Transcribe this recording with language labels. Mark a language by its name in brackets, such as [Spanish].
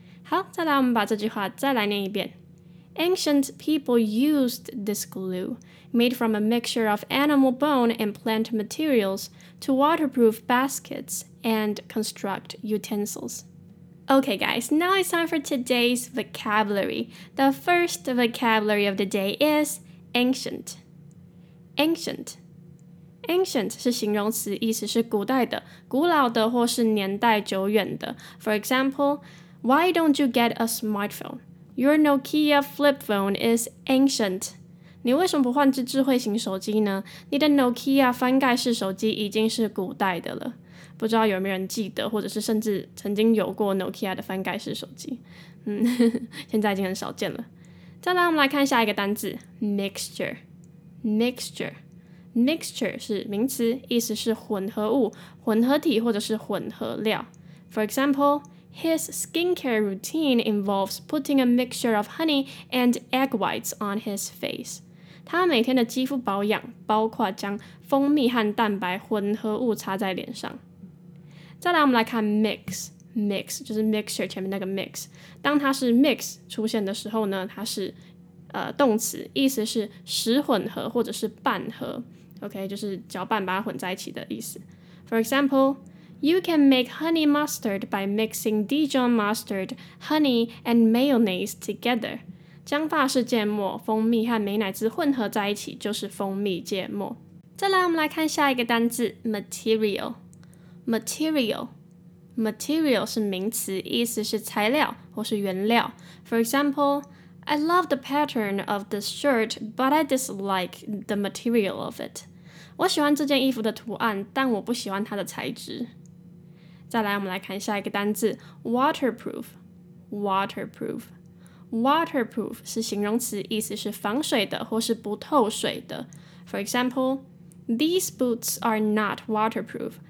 [Chinese] 好，再来我们把这句话再来念一遍。 [English] Ancient people used this glue, made from a mixture of animal bone and plant materials, to waterproof baskets and construct utensils. Okay, guys, now it's time for today's vocabulary. The first vocabulary of the day is ancient. Ancient. [Chinese] Ancient 是形容词，意思是古代的、古老的或是年代久远的。 [English] For example, why don't you get a smartphone? Your Nokia flip phone is ancient. [Chinese] 你为什么不换只智慧型手机呢？你的 Nokia 翻盖式手机已经是古代的了。不知道有没有人记得，或者是甚至曾经有过 Nokia 的翻盖式手机。现在已经很少见了。再来，我们来看下一个单字 ，mixture。mixture。 mixture 是名词，意思是混合物、混合体或者是混合料。 [English] For example, his skincare routine involves putting a mixture of honey and egg whites on his face. [Chinese] 他每天的肌肤保养包括将蜂蜜和蛋白混合物擦在脸上。再来，我们来看 mix。mix 就是 mixture 前面那个 mix。当它是 mix 出现的时候呢，它是动词，意思是使混合或者是拌合。 OK, 就是搅拌把它混在一起的意思。 [English] For example, you can make honey mustard by mixing Dijon mustard, honey, and mayonnaise together. [Chinese] 将法式芥末、蜂蜜和美乃滋混合在一起就是蜂蜜芥末。再来，我们来看下一个单字 ,material。material。 material 是名词，意思是材料或是原料。 [English] For example,I love the pattern of this shirt, but I dislike the material of it. [Chinese] 我喜欢这件衣服的图案，但我不喜欢它的材质。再来，我们来看下一个单字 ,waterproof。waterproof。 waterproof 是形容词，意思是防水的或是不透水的。 [English] For example, these boots are not waterproof.